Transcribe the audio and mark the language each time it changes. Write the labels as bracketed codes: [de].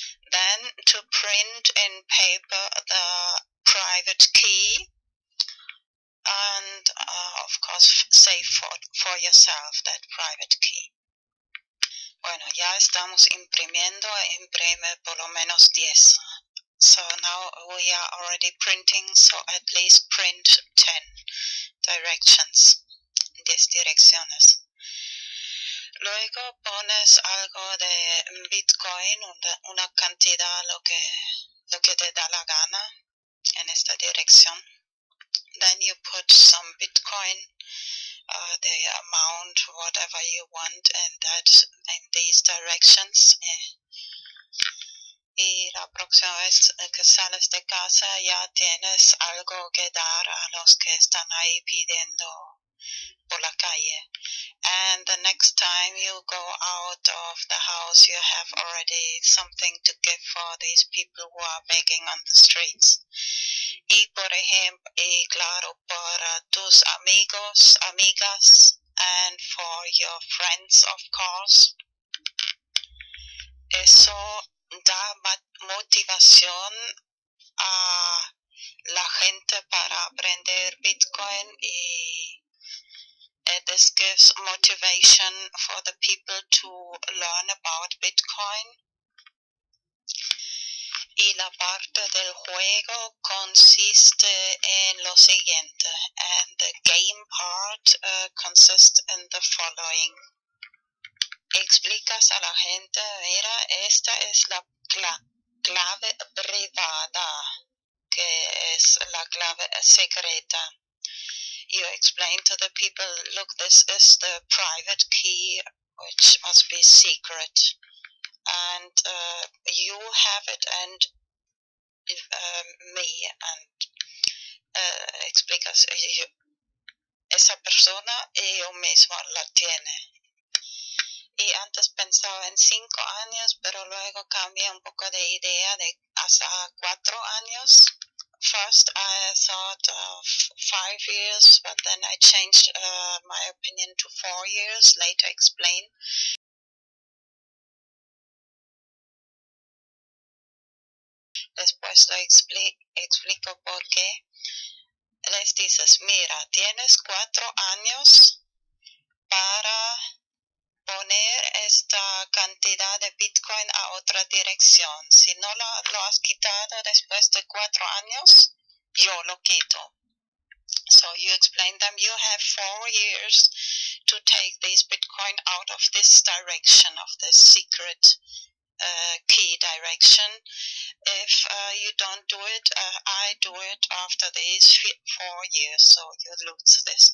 [en] Then to print in paper the private key and of course save for yourself that private key. [es] Bueno, ya estamos imprimiendo, imprime por lo menos 10. [en] So now we are already printing, so at least print 10 directions, [es] 10 direcciones. Luego pones algo de Bitcoin, una cantidad, lo que te da la gana en esta dirección. [en] Then you put some Bitcoin, the amount, whatever you want, in these directions. [es] Y la próxima vez que sales de casa ya tienes algo que dar a los que están ahí pidiendo por la calle. [en] And the next time you go out of the house, you have already something to give for these people who are begging on the streets. [es] Y por ejemplo, y claro, para tus amigos, amigas, [en] and for your friends, of course. [es] Eso da motivación a la gente para aprender Bitcoin y [en] this gives motivation for the people to learn about Bitcoin. [es] Y la parte del juego consiste en lo siguiente. [en] And the game part consists in the following. [es] Explicas a la gente, mira, esta es la clave privada, que es la clave secreta. [en] you explain to the people, look, this is the private key, which must be secret, and you have it, and me, and [es] explicas, esa persona, yo mismo la tiene. Y antes pensaba en 5 años, pero luego cambié un poco de idea de hasta 4 años. [en] First, I thought of 5 years, but then I changed my opinion to 4 years, later explained. [es] Después lo explico por qué. Les dices, mira, tienes 4 años para poner esta cantidad de Bitcoin a otra dirección. Si no lo has quitado después de 4 años, yo lo quito. [en] So you explain them, you have 4 years to take this Bitcoin out of this direction, of this secret key direction. If you don't do it, I do it after these 4 years, so you lose this.